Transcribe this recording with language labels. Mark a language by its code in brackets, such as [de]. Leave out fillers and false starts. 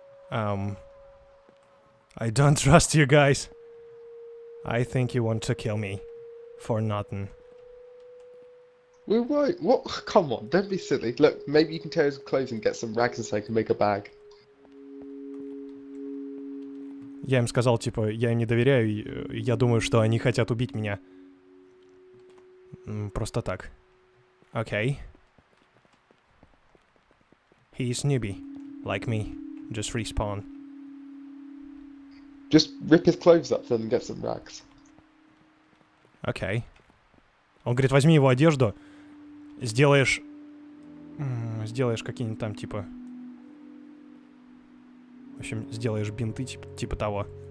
[en] I don't trust you guys. I think you want to kill me. For nothing. We won't. What? Come on, don't be silly. Look, maybe you can tear his clothes and get some rags and so you can make a bag. [ru] Я им сказал, типа, я им не доверяю, я думаю, что они хотят убить меня. Просто так. Окей. [en] He is newbie, like me. Just respawn. Just rip his clothes up and get some rags. [ru] Окей. Он говорит, возьми его одежду, сделаешь какие-нибудь там, типа... В общем, сделаешь бинты, типа того.